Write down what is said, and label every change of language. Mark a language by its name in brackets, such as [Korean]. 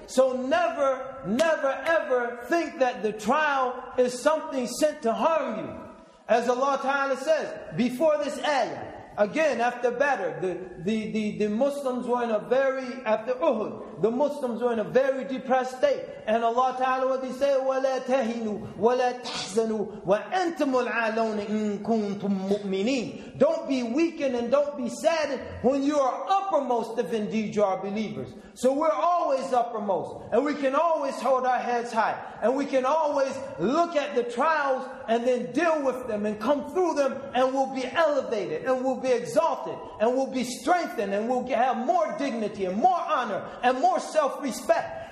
[English] So never, never, ever think that the trial is something sent to harm you. As Allah Ta'ala says, before this ayah, again, after Badr, the Muslims were in a very, after Uhud, the Muslims were in a very depressed state. And Allah Ta'ala, what He said, [Arabic] وَلَا تَهِنُوا وَلَا تَحْزَنُوا وَأَنْتُمُ الْعَالَوْنِ إِن كُنْتُم مُؤْمِنِينَ. [English] Don't be weakened and don't be sad when you are uppermost if indeed you are believers. So we're always uppermost. And we can always hold our heads high. And we can always look at the trials and then deal with them and come through them, and we'll be elevated and we'll be exalted and we'll be strengthened and we'll have more dignity and more honor and more self-respect.